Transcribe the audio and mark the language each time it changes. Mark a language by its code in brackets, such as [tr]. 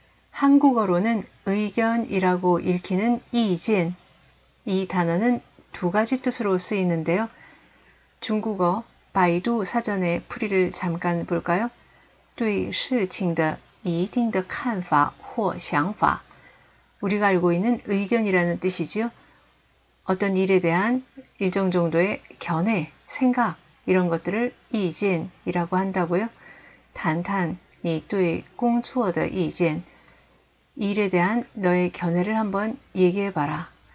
[ko] 한국어로는 의견이라고 읽히는 이진. 이 단어는 두 가지 뜻으로 쓰이는데요. 중국어 바이두 사전의 풀이를 잠깐 볼까요? [zh] 对事情的一定的看法或想法. [ko] 우리가 알고 있는 의견이라는 뜻이지요. 어떤 일에 대한 일정 정도의 견해, 생각, 이런 것들을 이진이라고 한다고요. [zh] 谈谈你对工作的意见. [ko] 일에 대한 너의 견해를 한번 얘기해 봐라.